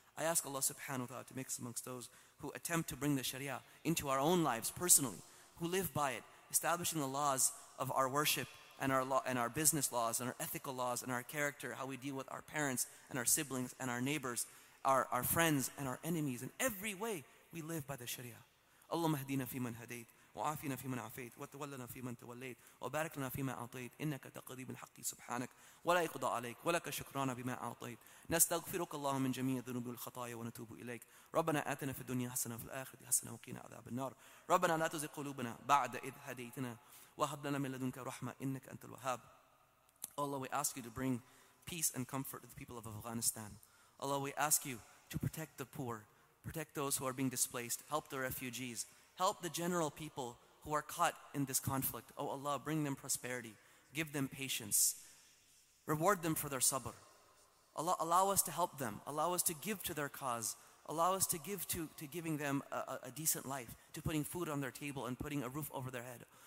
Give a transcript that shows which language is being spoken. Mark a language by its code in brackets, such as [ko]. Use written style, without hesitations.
[en] I ask Allah subhanahu wa ta'ala to mix amongst those who attempt to bring the Sharia into our own lives personally, who live by it, establishing the laws of our worship and our law and our business laws and our ethical laws and our character, how we deal with our parents and our siblings and our neighbors, our friends and our enemies. In every way, we live by the Sharia. [ar] Allahumma hadina fi man hadayt, وعافنا فيمن عافيت وتولنا فيمن توليت وبارك لنا فيما أعطيت إنك تقضي بالحق سبحانك ولا يقضى عليك ولك شكرانا بما أعطيت نستغفرك اللهم من جميع الذنوب والخطايا ونتوب إليك ربنا آتنا في الدنيا حسنة في الآخرة حسنة وقنا عذاب النار ربنا لا تزغ قلوبنا بعد إذ هديتنا وهب لنا من لدنك رحمة إنك أنت الوهاب [en] Allah, we ask you to bring peace and comfort to the people of Afghanistan. Allah, we ask you to protect the poor, protect those who are being displaced, help the refugees, help the general people who are caught in this conflict. Oh Allah, bring them prosperity, give them patience, reward them for their sabr. Allah, allow us to help them, allow us to give to their cause, allow us to give to giving them a decent life, to putting food on their table and putting a roof over their head.